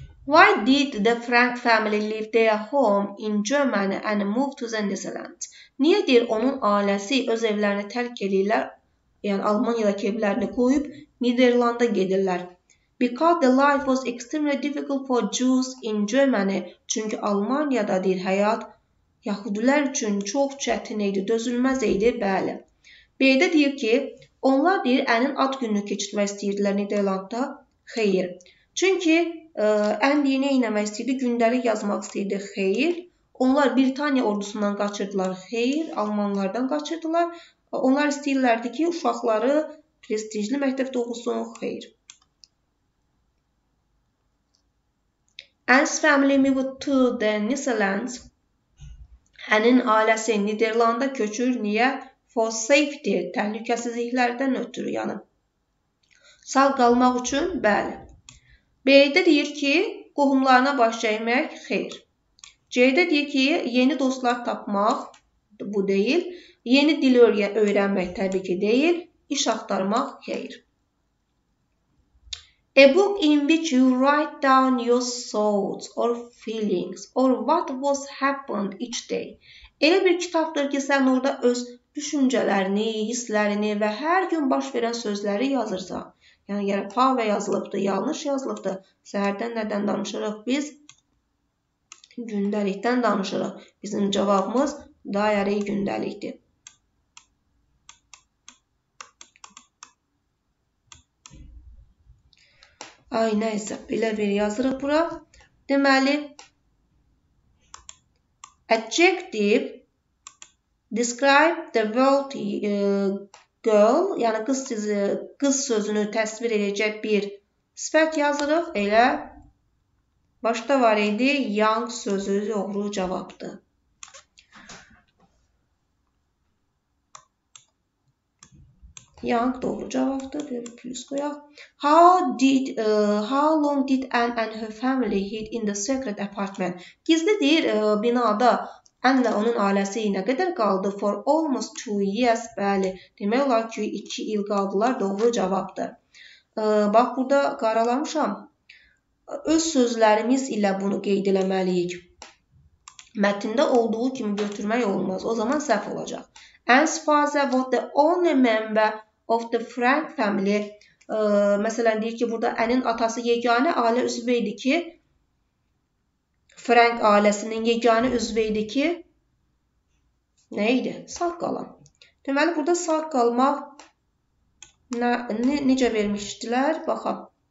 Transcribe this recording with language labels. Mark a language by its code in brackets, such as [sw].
[en] Why did the Frank family leave their home in Germany and move to the Netherlands? [az] Niyə deyir onun ailəsi öz evlərini tərk edirlər, yəni Almaniyadakı evlərini qoyub Niderlanda gedirlər? [en] Because the life was extremely difficult for Jews in Germany. [az] Çünki Almaniyada deyir həyat Yahudilər üçün çox çətin idi, dözülməz idi, bəli. B-də deyir ki, onlar deyir Anne'in ad gününü keçirmək istəyirdilər Niderlanda. Xeyr. Çünki Andy nə etmək istəyirdi? Gündəlik yazmaq istəyirdi. Xeyr. Onlar Britaniya ordusundan qaçırdılar. Xeyr. Almanlardan qaçırdılar. Onlar istəyirlərdi ki, uşaqları prestijli məktəbdə oxusun. Xeyr. [en] Anne's family moved to the Netherlands. [az] Anne'in ailəsi Niderlanda köçür. Niyə? [en] For safety. [az] Təhlükəsizliklərdən ötürü. Yəni, sağ qalmaq üçün? Bəli. B-də deyir ki, qohumlarına baş çəkmək xeyr. C'de deyir ki, yeni dostlar tapmaq bu deyil. Yeni dil öyrənmək təbii ki deyil. İş axtarmaq xeyir. [en] A book in which you write down your thoughts or feelings or what was happened each day. [az] Elə bir kitabdır ki, sən orada öz düşüncələrini, hisslərini və hər gün baş verən sözləri yazırsan. Yəni, fav yazılıbdır, yanlış yazılıbdır. Səhərdən nədən danışırıq? Biz gündəlikdən danışırıq. Bizim cavabımız diary gündəlikdir. Ay, nəysə, belə bir yazırıq bura. Deməli, [en] adjective describe the world girl, [az] yəni qız sözünü təsvir edəcək bir sifət yazırıq. Elə başda var idi, young sözü doğru cavabdır. Young doğru cavabdır. Bir plus qoyaq. [en] How long did Anne and her family hid in the secret apartment? [az] Gizli deyir, binada Anne ve onun ailəsi nə qədər qaldı? [en] For almost 2 years. [az] Bəli, demək olar ki, 2 il qaldılar. Doğru cavabdır. Bax, burada qaralamışam. Öz sözlərimiz ilə bunu qeyd eləməliyik. Mətində olduğu kimi götürmək olmaz. O zaman səhv olacaq. [en] Anne's father was the only member of the Frank family. [az] Məsələn, deyir ki, burada Anne'in atası yeganə ailə üzvü idi ki, Frank ailəsinin yeganə üzvü idi ki, nə idi? Sağ qalan. Deməli, burada sağ qalmaq necə vermişdilər? Baxaq.